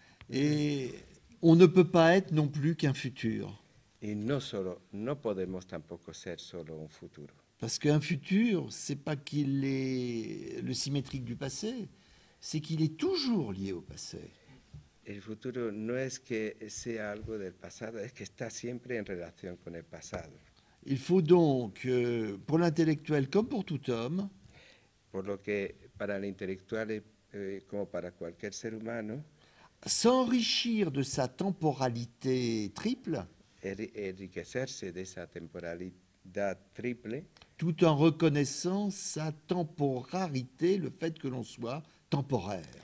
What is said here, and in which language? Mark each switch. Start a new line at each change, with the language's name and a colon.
French: Et on ne peut pas être non plus qu'un futur.
Spanish: Et non solo, no podemos tampoco ser solo un futuro.
French: Parce qu'un futur, c'est pas qu'il est le symétrique du passé, c'est qu'il est toujours lié au passé.
Spanish: El futuro no es que sea algo del pasado, es que está siempre en relación con el pasado.
French: Il faut donc, pour l'intellectuel comme pour tout homme,
Spanish: por lo que para el intelectual como para cualquier ser humano,
French: s'enrichir de sa temporalité triple.
Spanish: Enriquecerse de esa temporalidad triple,
French: tout en reconnaissant sa temporarité, le fait que l'on soit temporaire.